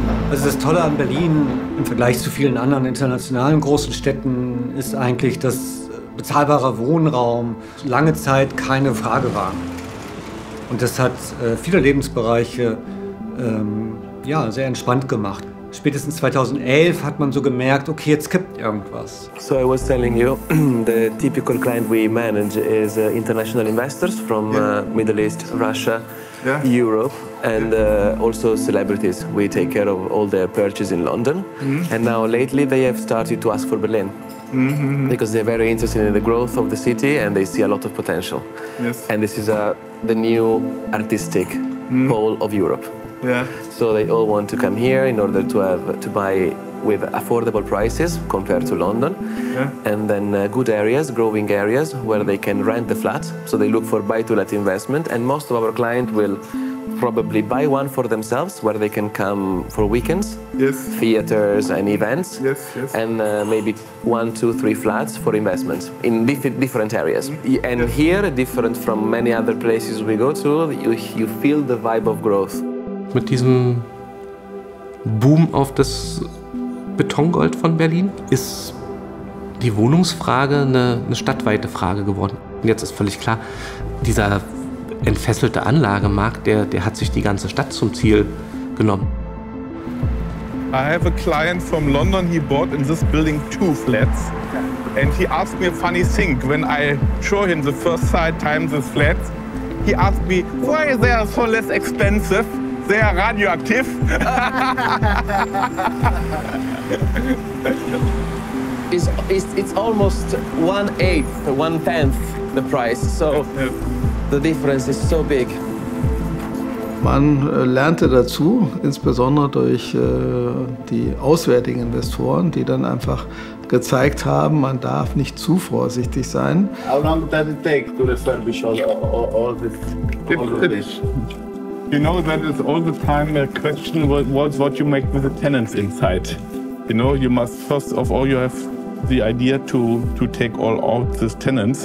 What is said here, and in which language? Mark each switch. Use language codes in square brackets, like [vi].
[de] Also das Tolle an Berlin im Vergleich zu vielen anderen internationalen großen Städten ist eigentlich, dass bezahlbarer Wohnraum lange Zeit keine Frage war. Und das hat viele Lebensbereiche sehr entspannt gemacht. Spätestens 2011 hat man so gemerkt, okay, jetzt kippt irgendwas. [en] So I was telling you, the typical client we manage is international investors from Middle East, Russia, Europe. And also celebrities. We take care of all their purchases in London. Mm-hmm. And now lately they have started to ask for Berlin. Mm-hmm. Because they're very interested in the growth of the city and they see a lot of potential. Yes. And this is the new artistic pole of Europe. Yeah. So they all want to come here in order to have to buy with affordable prices compared to London. Yeah. And then good areas, growing areas, where they can rent the flat. So they look for buy-to-let investment. And most of our clients will probably buy one for themselves where they can come for weekends, yes, theaters and events, yes, yes, and maybe 1, 2, 3 flats for investments in different areas. And yes, here, different from many other places we go to, you feel the vibe of growth. [de] Mit diesem Boom auf das Betongold von Berlin ist die Wohnungsfrage eine stadtweite Frage geworden. Und jetzt ist völlig klar, dieser entfesselte Anlagemarkt, der hat sich die ganze Stadt zum Ziel genommen. [en] I have a client from London, he bought in this building 2 flats. And he asked me a funny thing, when I show him the first time this flat, he asked me, why they are so less expensive, they are radioactive. it's almost 1/8, 1/10 the price, so. The difference is so big. [de] Man lernte dazu, insbesondere durch die auswärtigen Investoren, die dann einfach gezeigt haben, man darf nicht zu vorsichtig sein. [en] How long does it take to refurbish all this? You know, that is all the time a question was what you make with the tenants inside. You know, you must first of all you have the idea to take all out these tenants.